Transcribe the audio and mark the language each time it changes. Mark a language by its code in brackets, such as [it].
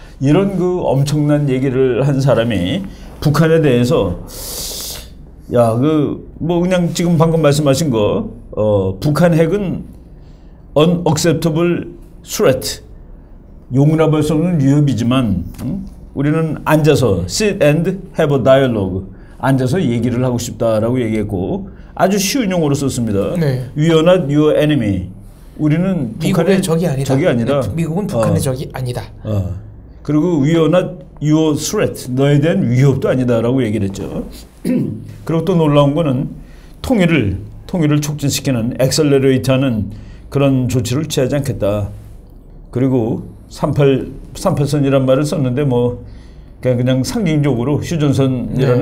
[ko] 이런 그 엄청난 얘기를 한 사람이 북한에 대해서 야, 그 뭐 그냥 지금 방금 말씀하신 거 북한 핵은 [en] unacceptable threat [ko] 용납할 수 없는 위협이지만 우리는 앉아서 [en] sit and have a dialogue [ko] 앉아서 얘기를 하고 싶다라고 얘기했고 아주 쉬운 용어로 썼습니다. 네. [en] We are not your enemy. 우리는 [ko] 북한의 적이 아니다. 적이 아니다. 네, 미국은 북한의 적이 아니다. [en] 그리고 We are not your threat. [ko] 너에 대한 위협도 아니다라고 얘기를 했죠. 그리고 또 놀라운 거는 통일을 촉진시키는 엑셀러레이터하는 그런 조치를 취하지 않겠다. 그리고 38선이란 말을 썼는데 뭐 그냥 상징적으로 휴전선이라는